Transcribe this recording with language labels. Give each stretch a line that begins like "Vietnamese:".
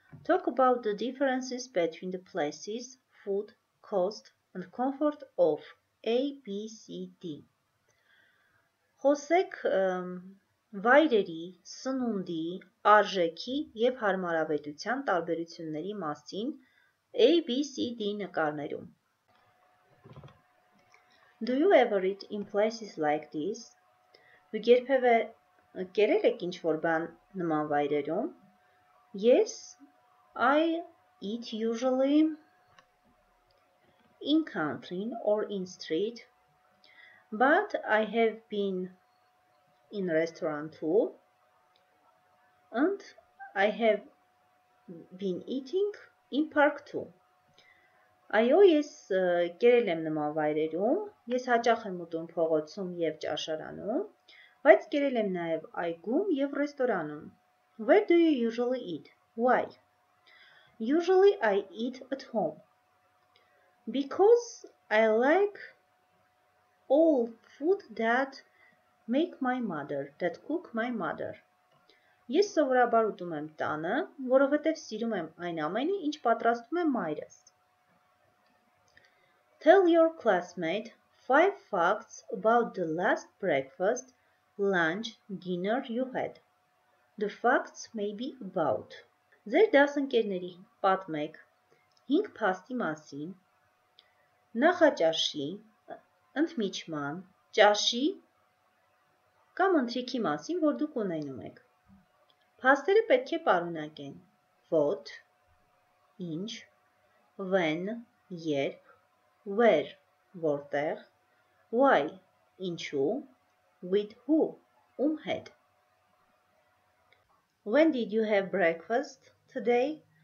English: Talk about the differences between the places, food, cost and comfort of A, B, C, D.
Armenian: Խոսեք վայրերի, սնունդի, արժեքի և հարմարավետության տարբերությունների մասին A, B, C, D նկարներում.
English: Do you ever eat in places like this?
Armenian: Դուք երբևէ կերել եք ինչ-որ բան նման վայրերում?
English: Yes, I eat usually in country or in street, but I have been in restaurant too, and I have been eating in park too.
Armenian: Այո, ես կերել եմ նման վայրերում, ես հաճախ եմ ուտում փողոցում և ճաշարանում, բայց կերել եմ նաև այգում և ռեստորանում.
English: Where do you usually eat? Why? Usually I eat at home. Because I like all food that make my mother, that cook my mother.
Armenian: Ես սովորաբար ուտում եմ տանը, որովհետև սիրում եմ այն ամենը, ինչ պատրաստում եմ մայրս.
English: Tell your classmate 5 facts about the last breakfast, lunch, dinner you had. The facts may be about.
Armenian: Ձեր դասընկերների պատմեք 5 փաստի մասին, նախաճաշի, ընդմիջման, ճաշի կամ ընթրիքի մասին, որ դուք ունենում եք։ Փաստերը պետք է պարունակեն
English: what,
Armenian: ինչ,
English: when,
Armenian: երբ,
English: where,
Armenian: որտեղ,
English: why,
Armenian: ինչու,
English: with who,
Armenian: ում հետ։
English: When did you have breakfast today?